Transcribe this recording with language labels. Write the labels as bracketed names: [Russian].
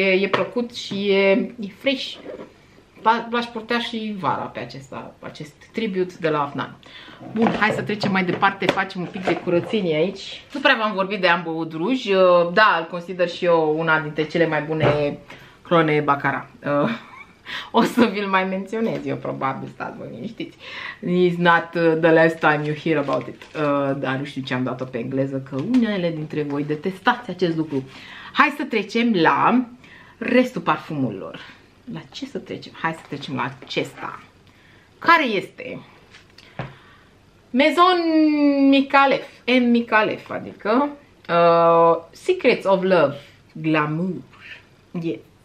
[Romanian] E plăcut și e fresh. L-aș purtea și vara pe acest tribut de la Afnan. Bun, hai să trecem mai departe, facem un pic de curățenie aici. Nu prea v-am vorbit de Amber Wood Rouge. Da, îl consider și eu una dintre cele mai bune clone Baccarat. O să vi-l mai menționez eu, probabil, stați voi liniștiți. [English] It's not the last time you hear about it. [Romanian] Dar nu știu ce am dat-o pe engleză, că unele dintre voi detestați acest lucru. Hai să trecem la restul parfumurilor. La ce să trecem? Hai să trecem la acesta. Care este? Maison Micalef, M. Micalef, adică Secrets of Love, Glamour. Yeah.